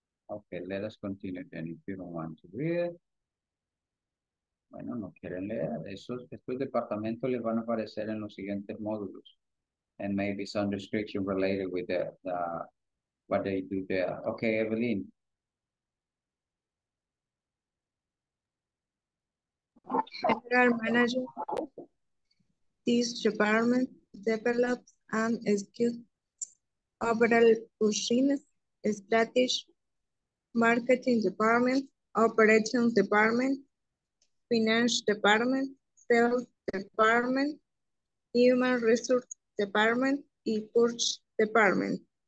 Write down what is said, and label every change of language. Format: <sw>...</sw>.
<en>Okay, let us continue then if you don't want to read it.</en> <es>Bueno, no quieren leer. Estos departamentos les van a aparecer en los siguientes módulos.</es> <en>And maybe some restriction related with the what they do there. Okay, Evelyn. General manager, this department develops and executes overall business strategy, marketing department, operations department, finance department, sales department, human resource department, and purchase department.</en>